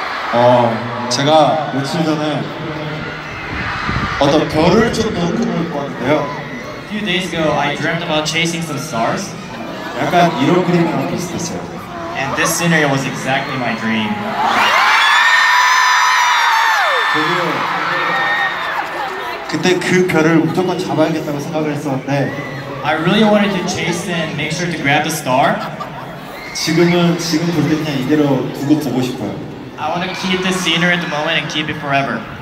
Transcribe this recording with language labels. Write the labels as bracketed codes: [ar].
[ko] 제가 며칠 전에 어떤 별을 쫓는 꿈을 꿨는데요. [en] A few days ago, I dreamt about chasing some stars. [ko] 약간 이런 그림이랑 비슷했어요. [en] And this scenery was exactly my dream. [ko] 그리고 그때 그 별을 무조건 잡아야겠다고 생각을 했었는데 [en] I really wanted to chase and make sure to grab the star. [ko] 지금은 지금 볼 때 그냥 이대로 두고 보고 싶어요. [en] I want to keep the scenery at the moment and keep it forever.